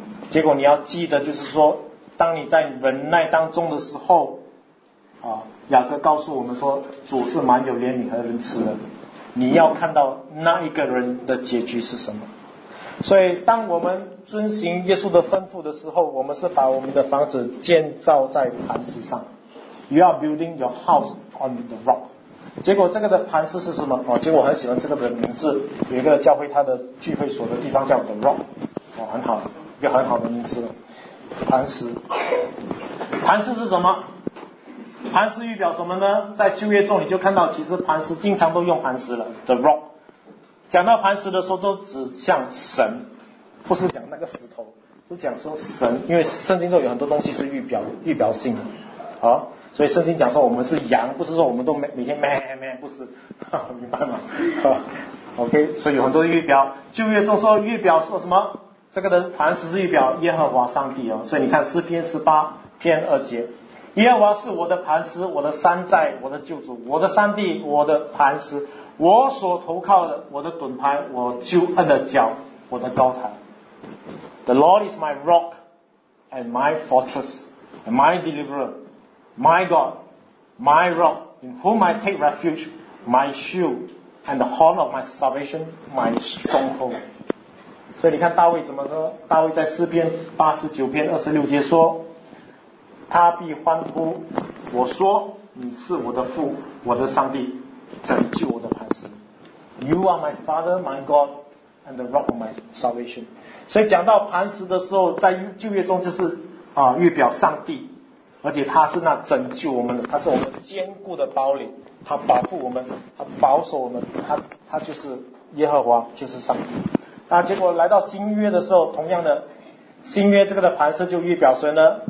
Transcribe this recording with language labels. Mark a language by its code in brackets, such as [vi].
[zh] 结果你要记得，就是说当你在忍耐当中的时候啊，雅各告诉我们说，主是蛮有怜悯和仁慈的，你要看到那一个人的结局是什么。所以当我们遵行耶稣的吩咐的时候，我们是把我们的房子建造在磐石上。 [en] You are building your house on the rock。 [zh] 结果这个的磐石是什么？哦，结果我很喜欢这个的名字，有一个教会它的聚会所的地方叫 The Rock。哦，很好，一个很好的名字，磐石。磐石是什么？磐石预表什么呢？在旧约中你就看到，其实磐石经常都用磐石了， The Rock。讲到磐石的时候都指向神，不是讲那个石头，是讲说神，因为圣经中有很多东西是预表性的，好，所以圣经讲说我们是羊，不是说我们都每天咩咩，不是，明白吗？好 OK， 所以有很多预表，旧约中说预表说什么，这个的磐石是预表耶和华上帝哦，所以你看诗篇十八篇二节，耶和华是我的磐石，我的山寨，我的救主，我的上帝，我的磐石，我所投靠的，我的盾牌，我救恩的脚，我的高台。 [en] The Lord is my rock and my fortress and my deliverer, my God, my rock, in whom I take refuge, my shield and the horn of my salvation, my stronghold. [zh] 所以你看大卫怎么说，大卫在诗篇八十九篇二十六节说，他必欢呼，我说你是我的父，我的上帝，拯救我的磐石。 [en] You are my father, my God and the rock of my salvation. [zh] 所以讲到磐石的时候，在旧约中就是预表上帝，而且他是那拯救我们的，他是我们坚固的堡垒，他保护我们，他保守我们，他就是耶和华，就是上帝。那结果来到新约的时候，同样的新约这个的磐石就预表谁呢？